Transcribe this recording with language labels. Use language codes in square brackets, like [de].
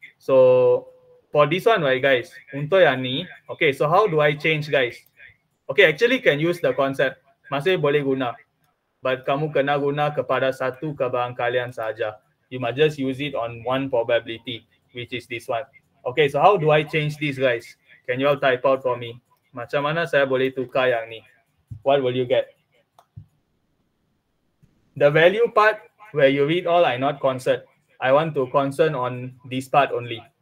[en] So for this one, right guys? [ms] Untuk yang ni, [en] okay, so how do I change, guys? Okay, actually can use the concept. [ms] Masih boleh guna. But kamu kena guna kepada satu kebahagiaan kalian sahaja. [en] You might just use it on one probability, which is this one. Okay, so how do I change this, guys? Can you all type out for me? [ms] Macam mana saya boleh tukar yang ni? [en] What will you get? The value part where you read all, I not concerned. I want to concern on this part only.